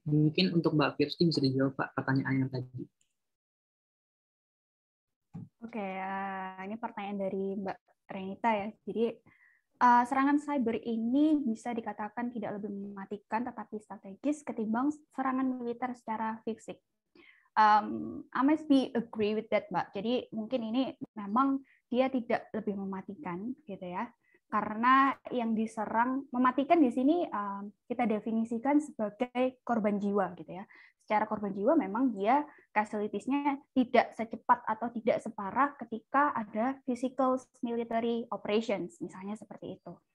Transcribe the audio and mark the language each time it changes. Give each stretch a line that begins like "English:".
Indonesian: Mungkin untuk Mbak Firsti bisa dijawab Pak pertanyaan yang tadi. Oke, ini pertanyaan dari Mbak Renita ya. Jadi serangan cyber ini bisa dikatakan tidak lebih mematikan tetapi strategis ketimbang serangan militer secara fisik.
English: I must be agree with that, Mbak.
Indonesian: Jadi mungkin ini memang dia tidak lebih mematikan gitu ya. Karena yang diserang, mematikan di sini kita definisikan sebagai korban jiwa gitu ya. Secara korban jiwa memang dia casualties-nya tidak secepat atau tidak separah ketika ada
English: physical military operations,
Indonesian: misalnya seperti itu.